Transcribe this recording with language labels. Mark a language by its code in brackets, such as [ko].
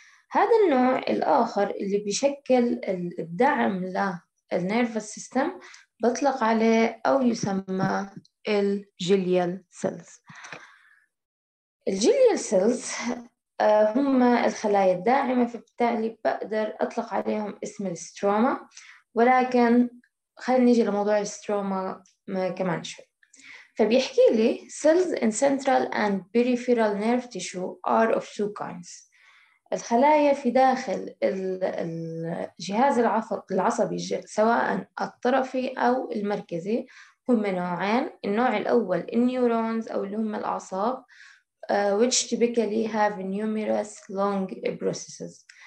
[ar] هذا النوع الآخر اللي بيشكل الدعم ل النيرفوس سيستم بطلق عليه او يسمى الجليال سيلز. الجليال سيلز هم الخلايا الداعمه، فبالتالي بقدر اطلق عليهم اسم الستروما، ولكن خلينا نيجي لموضوع الستروما كمان شوي. فبيحكي لي [en] cells in central and peripheral nerve tissue are of two kinds. [ar] الخلايا في داخل الجهاز العصبي سواء الطرفي أو المركزي هم نوعين. النوع الأول النيورونز أو اللي هم الأعصاب، [en] which typically have numerous long processes.